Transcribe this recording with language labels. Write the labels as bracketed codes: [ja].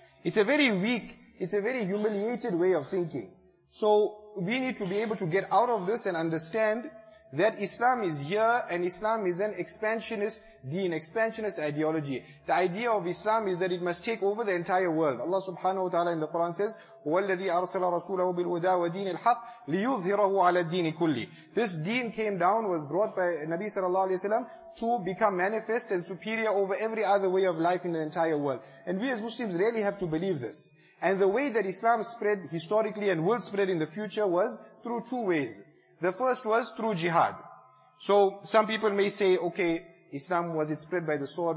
[en] It's a very weak, it's a very humiliated way of thinking. So we need to be able to get out of this and understand that Islam is here and Islam is an expansionist deen, expansionist ideology. The idea of Islam is that it must take over the entire world. [ar] Allah subhanahu wa ta'ala [en] in the Quran says, [ar] وَالَّذِي أَرْسَلَ رَسُولَهُ بِالْهُدَى وَدِينِ الْحَقِّ لِيُظْهِرَهُ عَلَى الدِّينِ كُلِّ. [en] This deen came down, was brought by Nabi sallallahu alayhi wa sallam to become manifest and superior over every other way of life in the entire world. And we as Muslims really have to believe this. And the way that Islam spread historically and will spread in the future was through two ways. The first was through jihad. So some people may say, okay, Islam, was it spread by the sword?